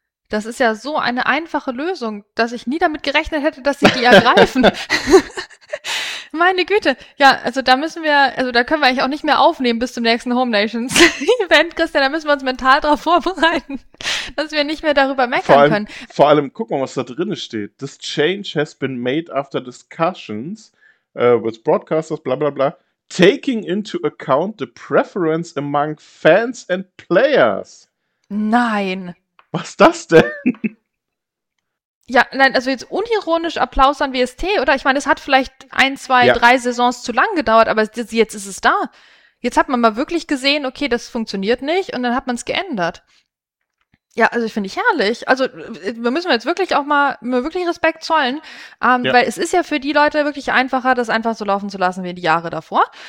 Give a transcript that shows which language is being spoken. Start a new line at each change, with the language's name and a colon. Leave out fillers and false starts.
German: Das ist ja so eine einfache Lösung, dass ich nie damit gerechnet hätte, dass sie die ergreifen. Meine Güte. Ja, also da müssen wir, also da können wir eigentlich auch nicht mehr aufnehmen bis zum nächsten Home Nations Event, Christian. Da müssen wir uns mental darauf vorbereiten, dass wir nicht mehr darüber meckern können. Vor allem, guck mal, was da drin steht.
English: This change has been made after discussions with broadcasters, bla bla bla, taking into account the preference among fans and players.
German: Nein. Was ist das denn? Ja, nein, also jetzt unironisch Applaus an WST, oder? Ich meine, es hat vielleicht ein, zwei, drei Saisons zu lang gedauert, aber jetzt ist es da. Jetzt hat man mal wirklich gesehen, okay, das funktioniert nicht, und dann hat man es geändert. Ja, also ich finde ich herrlich. Also wir müssen jetzt wirklich auch mal wirklich Respekt zollen, weil es ist ja für die Leute wirklich einfacher, das einfach so laufen zu lassen wie die Jahre davor.